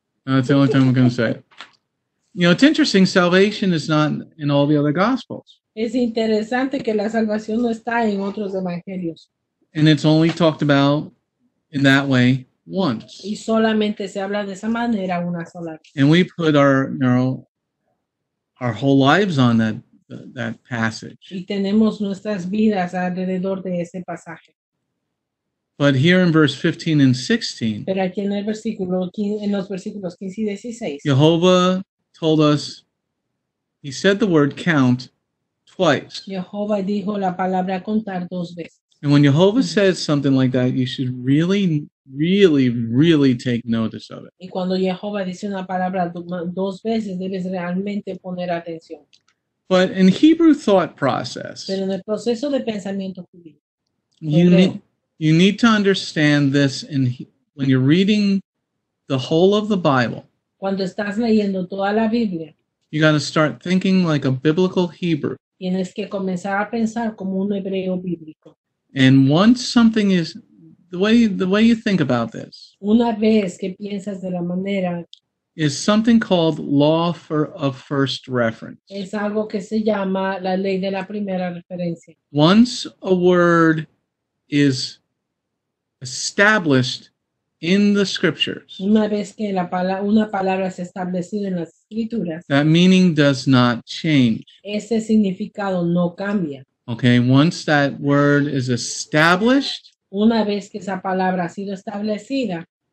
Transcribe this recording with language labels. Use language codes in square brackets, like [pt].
[en] That's the only time we're going to say it. You know, it's interesting, salvation is not in all the other Gospels. [es] Es interesante que la salvación no está en otros evangelios. [en] And it's only talked about in that way. Once. [es] Y solamente se habla de esa manera una sola vez. [en] And we put our whole lives on that passage. [es] Y tenemos nuestras vidas alrededor de ese pasaje. [en] But here in verse 15 and 16. [es] Pero aquí en el versículo en los versículos 15 y 16. [en] Jehovah told us, he said the word count twice. [es] Jehovah dijo la palabra contar dos veces. [en] And when Jehovah says something like that, you should really, really, really take notice of it. [es] Y cuando Jehovah dice una palabra dos veces, debes realmente poner atención. [en] But in Hebrew thought process, [es] pero en el proceso de pensamiento judío, [en] you need to understand this when you're reading the whole of the Bible. [es] Cuando estás leyendo toda la Biblia, [en] you got to start thinking like a biblical Hebrew. [es] Tienes que comenzar a pensar como un hebreo bíblico. [en] And once something is the way you think about this, [es] una vez que piensas de la manera, [en] is something called law for of first reference. [es] Es algo que se llama la ley de la primera referencia. [en] Once a word is established in the scriptures, [es] una vez que una palabra se establece en las escrituras, [en] that meaning does not change. [es] Ese significado no cambia. [en] Okay, once that word is established, [es] una vez que esa palabra ha sido establecida,